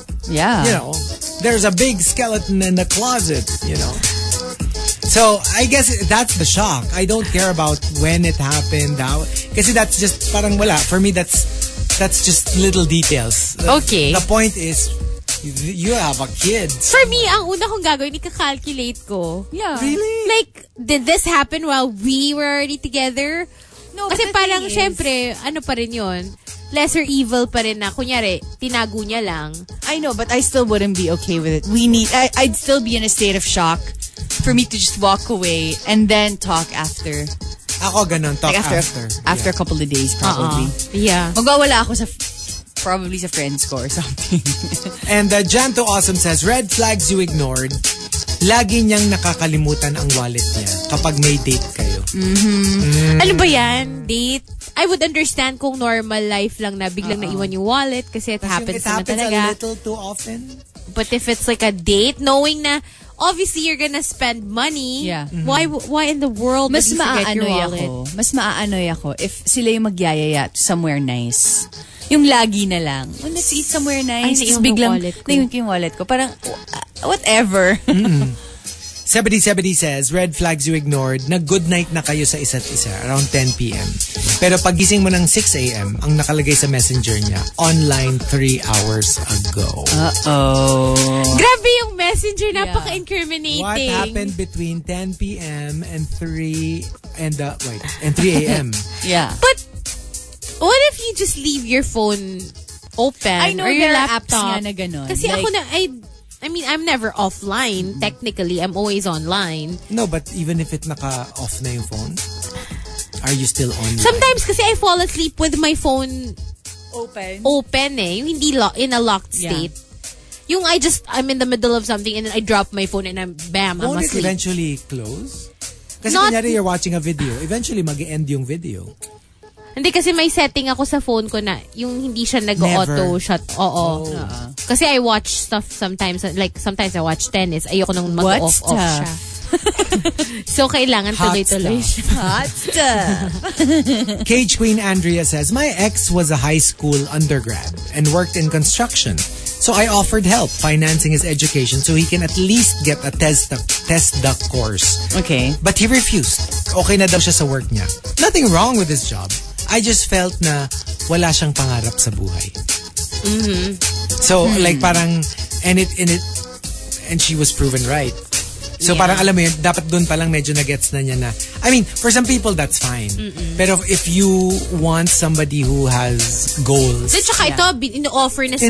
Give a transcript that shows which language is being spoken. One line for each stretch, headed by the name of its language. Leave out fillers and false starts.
English: Yeah. You know, there's a big skeleton in the closet, you know. So, I guess that's the shock. I don't care about when it happened. Kasi that's just
Filipino: parang wala.
English: For me, that's just little details. Okay. The point is... You have a kid. For me,
Filipino: ang una kong gagawin, ikakalculate ko.
English: Yeah. Really? Like, did this happen while we were already together? No,
Filipino: kasi
English: but
Filipino: parang, is... syempre, ano pa rin yun? Lesser evil pa rin na, kunyari, tinago niya lang.
English: I know, but I still wouldn't be okay with it. We need, I'd still be in a state of shock for me to just walk away and then talk after.
Filipino: Ako ganun,
English: talk like after. After yeah. a couple of days, probably. Uh-uh. Yeah.
Filipino: Magwawala ako sa... Probably sa friend score or something.
English: And Janto Awesome says, red flags you ignored.
Filipino: Lagi niyang nakakalimutan ang wallet niya kapag may date kayo. Mm-hmm. Mm. Ano ba yan? Date?
English: I would understand
Filipino: kung normal life lang na biglang
English: uh-huh.
Filipino: naiwan yung wallet kasi
English: it happens talaga. A little too often. But if it's like a date, knowing na obviously you're gonna spend money, yeah. mm-hmm. why in the world
Filipino: mas
English: would you forget your wallet?
Filipino: Ako. Mas maaanoy ako if sila yung magyayaya
English: somewhere nice.
Filipino: Yung lagi na lang.
English: Oh, let's eat somewhere nice.
Filipino: Ay, naiwan ko yung wallet ko. Parang, whatever. Mm-hmm.
English: 7070 says, red flags you ignored.
Filipino: Nag-good night na kayo sa isa't isa around 10 p.m. Pero pagising mo ng 6 a.m, ang nakalagay sa messenger niya, online 3 hours ago.
English: Uh-oh.
Filipino: Grabe yung messenger. Yeah. Napaka-incriminating.
English: What happened between 10 p.m. and 3 a.m.? Yeah. But, what if you just leave your phone open? I know or your laptop.
Filipino: Apps nga na ganun. Kasi like, ako na,
English: I mean, I'm never offline. Technically, I'm always online. No, but even if it naka-off na yung phone, are you still online? Sometimes kasi I fall asleep with my phone open
Filipino: eh. Yung hindi
English: in a locked state. Yeah. Yung I'm in the middle of something and then I drop my phone and I'm asleep. Won't it eventually close?
Filipino: Kasi kanyari
English: you're watching a video, eventually mag-end yung video.
Filipino: Hindi, kasi may setting ako sa phone ko na yung hindi siya nag-auto shut. Oo. Uh-huh.
English: Kasi I watch stuff sometimes. Like, sometimes I watch tennis.
Filipino: Ayoko nang mag-off-off siya. So, kailangan tuloy-tuloy siya.
English: Hot stuff. Cage Queen Andrea says, my ex was a high school undergrad and worked in construction. So, I offered help financing his education so he can at least get a test duck course. Okay. But he refused.
Filipino: Okay na daw siya sa work niya.
English: Nothing wrong with his job. I just felt
Filipino: na wala siyang pangarap sa buhay. Mm-hmm.
English: So, like parang, and she was proven right. So yeah.
Filipino: Parang alam mo yun, dapat dun palang medyo na-gets na niya na.
English: I mean, for some people, that's fine. Mm-mm. Pero if you want somebody who has goals.
Filipino: Then tsaka ito, in-offer na sa kanya.